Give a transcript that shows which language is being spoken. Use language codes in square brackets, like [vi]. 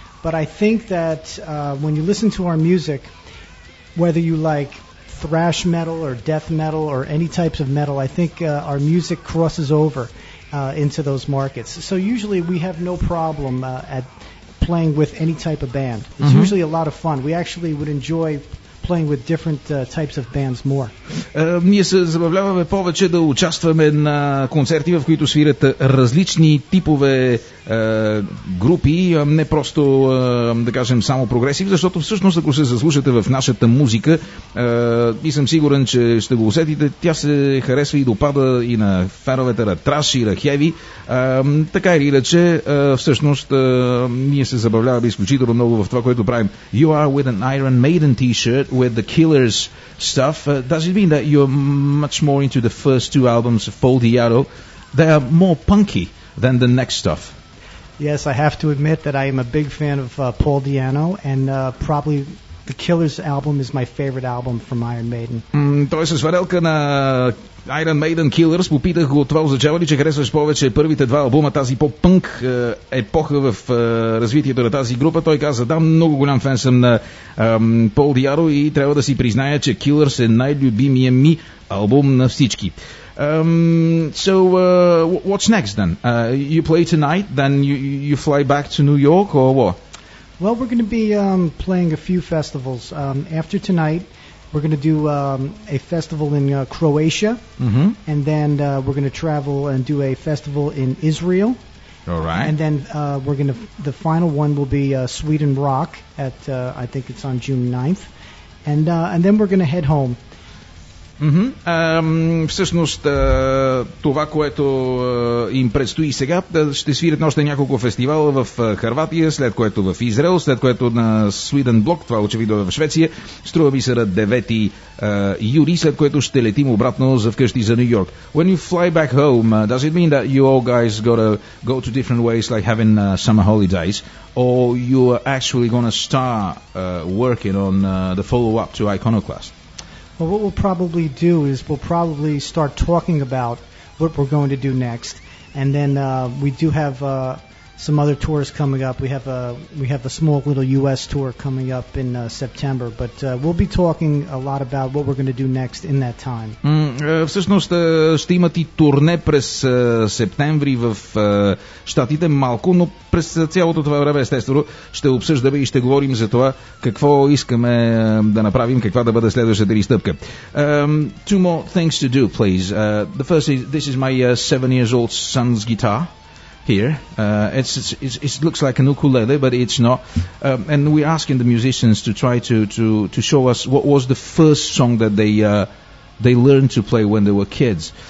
[en] But I think that when you listen to our music, whether you like thrash metal or death metal or any types of metal, I think our music crosses over into those markets. So usually we have no problem at playing with any type of band. It's mm-hmm. usually a lot of fun. We actually would enjoy playing with different types of bands more. [bg] Ние се забавляваме повече да участваме на концерти, в които свират различни типове групи, не просто, да кажем, само прогресив, защото всъщност, ако се заслушате в нашата музика, и съм сигурен, че ще го усетите, тя се харесва и допада и на феновете на траш и на хеви. Така или иначе, всъщност, ние се забавляваме изключително много в това, което правим. [en] You are with an Iron Maiden t-shirt with the Killers stuff. Does it mean that you're much more into the first two albums of Paul Di'Anno? They are more punky than the next stuff. Yes, I have to admit that I am a big fan of Paul Di'Anno, and probably the Killers album is my favorite album from Iron Maiden. [bg] То е с фанелка на Iron Maiden Killers. Попитах го от това, означава ли, че харесваш повече първите два албума, тази по-пънк епоха в развитието на тази група. Той каза, да, много голям фен съм на Paul Di'Anno и трябва да си призная, че Killers е най-любимия ми албум на всички. [en] What's next then? You play tonight, then you fly back to New York, or what? Well, we're going to be playing a few festivals. After tonight, we're going to do a festival in Croatia, mm-hmm. and then we're going to travel and do a festival in Israel. All right. And then the final one will be Sweden Rock at I think it's on June 9th, and then we're going to head home. Mm-hmm. [bg] Всъщност това, което им предстои сега, ще свирят още няколко фестивала в Хърватия, след което в Израел, след което на Sweden Block, това очевидно в Швеция, струва ми се на 9 юли, след което ще летим обратно за вкъщи за Нью Йорк. [en] When you fly back home, does it mean that you all guys gotta go to different ways, like having summer holidays, or you are actually gonna start working on the follow-up to Iconoclast? Well, what we'll probably do is we'll probably start talking about what we're going to do next, and then we do have some other tours coming up. We have a small little U.S. tour coming up in September, but we'll be talking a lot about what we're going to do next in that time. [bg] Всъщност ще имате турне през септември в Штатите малко, но през цялото това време, естествено, ще обсъждаме и ще говорим за това какво искаме да направим, каква да бъде следващата ни стъпка. [en] Two more things to do, please. The first is, this is my 7-year-old son's guitar. Here, it looks like an ukulele, but it's not. And we're asking the musicians to try to show us what was the first song that they learned to play when they were kids.